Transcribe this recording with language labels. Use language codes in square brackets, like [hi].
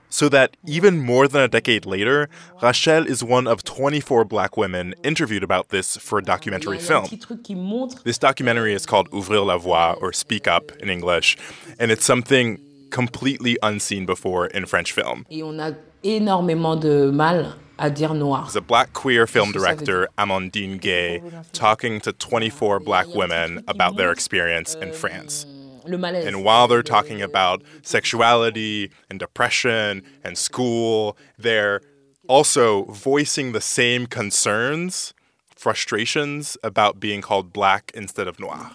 [en] So that even more than a decade later, Rachel is one of 24 black women interviewed about this for a documentary film. This documentary is called Ouvrir la Voix, or Speak Up in English, and it's something completely unseen before in French film. [fr] Et on a énormément de mal à dire noir. [en] There's a black queer film director, Amandine Gay, talking to 24 black women about their experience in France. And while they're talking about sexuality and depression and school, they're also voicing the same concerns, frustrations about being called black instead of noir.